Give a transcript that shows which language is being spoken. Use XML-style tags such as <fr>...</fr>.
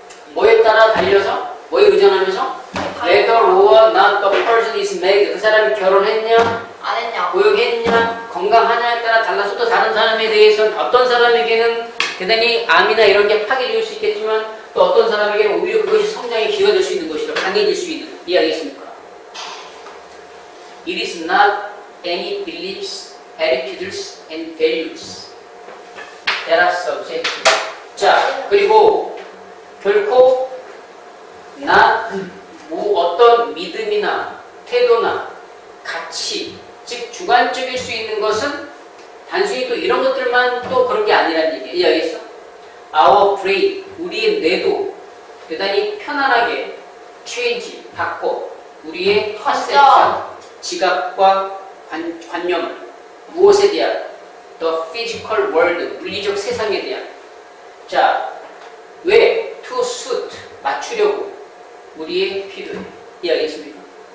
<ko>뭐에 따라 달려서? 뭐에 의존하면서?</ko> <en>Whether or not the person is married,</en> <ko>그 사람이 결혼했냐? 안 했냐? 고용했냐? 건강하냐에 따라 달라서 또 다른 사람에 대해서는 어떤 사람에게는 대단히 암이나 이런 게 파괴될 수 있겠지만 또 어떤 사람에게는 오히려 그것이 성장에 기여될 수 있는 것이라 강해질 수 있는, 이해하겠습니까? It is not any beliefs, attitudes, and values that are subjective. 자, 그리고 결코 not 뭐 어떤 믿음이나 태도나 가치, 즉 주관적일 수 있는 것은 단순히 또 이런 것들만 또 그런 게 아니라는 얘기 이해하겠어?</ko> <en>Our brain,</en> <ko>우리의 뇌도 대단히 편안하게 change, 바꿔 우리의 perception, 지각과 관념 무엇에 대한</ko> <en>the physical world,</en> <ko>물리적 세상에 대한 자, 왜</ko> <en>to suit,</en> <ko>맞추려고 우리의 필요 이해하겠습니까?</ko>